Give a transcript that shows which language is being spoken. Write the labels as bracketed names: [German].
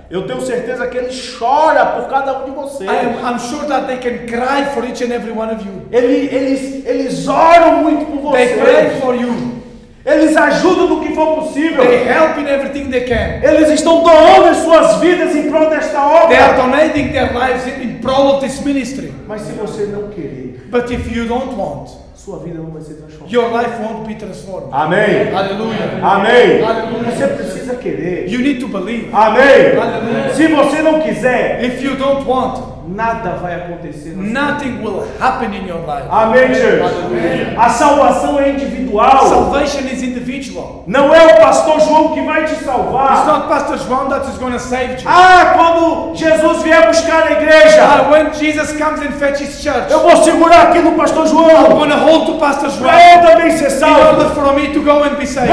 [Portuguese] Eu tenho certeza que ele chora por cada um de vocês. [English] I'm sure that they can cry for each and every one of you. [Portuguese] Eles oram muito por vocês. [English] They pray for you. [Portuguese] Eles ajudam no que for possível. [English] They help in everything they can. [Portuguese] Eles estão doando as suas vidas em prol desta obra. [English] They are donating their lives in prol of this ministry. [Portuguese] Mas se você não querer. [English] But if you don't want. [Portuguese] Sua vida não vai ser transformada. [English] Your life won't be transformed. [Portuguese] Amém. Aleluia. Amém. Aleluia. Você precisa querer. [English] You need to believe. [Portuguese] Amém. Aleluia. Se você não quiser. [English] If you don't want. [Portuguese] Nada vai acontecer. [English] Nothing will happen in your life. [Portuguese] Amém, church. Aleluia. A salvação é individual. [English] Salvation is individual. [Portuguese] Não é o pastor João que vai te salvar. [English] It's not Pastor John that is going to save you. [Portuguese] Ah, quando Jesus vier buscar a igreja. [English] When Jesus comes and fetches church. [Portuguese] Eu vou segurar aqui no pastor João. [English] I'm going to hold to Pastor John. [Portuguese] Para eu também ser salvo. [English] In order for me to go and be saved.